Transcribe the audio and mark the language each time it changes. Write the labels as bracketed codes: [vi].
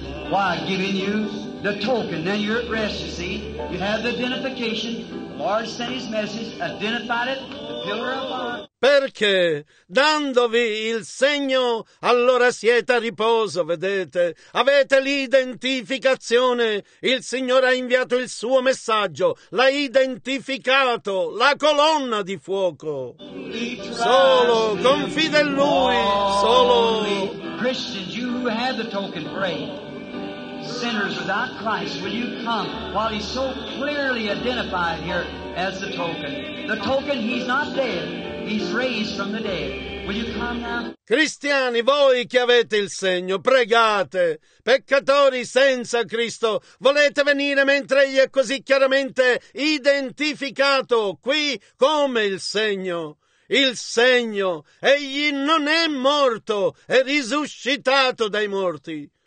[en] Why, giving you the token, now you're at rest, you see. You have the identification. Lord sent his message, identified it, the pillar of fire. [it] Perché dandovi il segno, allora siete a riposo, vedete? Avete l'identificazione. Il Signore ha inviato il suo messaggio, l'ha identificato, la colonna di fuoco. Solo confida in lui, solo. [en] Christians, you who have the token, pray. Sinners without Christ, will you come while he's so clearly identified here as the token? The token, he's not dead, he's raised from the dead. Will you come now? [it] Cristiani, voi che avete il segno, pregate. Peccatori senza Cristo, volete venire mentre egli è così chiaramente identificato qui come il segno? Il segno, egli non è morto, è risuscitato dai morti.